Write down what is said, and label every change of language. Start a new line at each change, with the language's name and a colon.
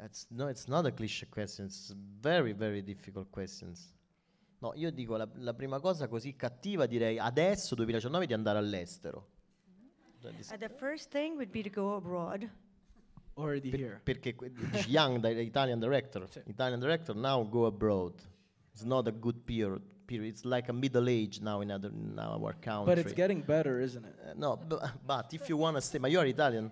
English: No, it's not a cliché question, it's very, very difficult questions.
Italian: No, io dico la prima cosa così cattiva, direi adesso, 2019, di andare all'estero.
English: The first thing would be to go abroad. Already here. Perché young, Italian director. Sì. Italian director, now go abroad. It's not a good period. It's like a middle age now in our country. But it's getting better, isn't it? But if you want to stay, ma you are Italian?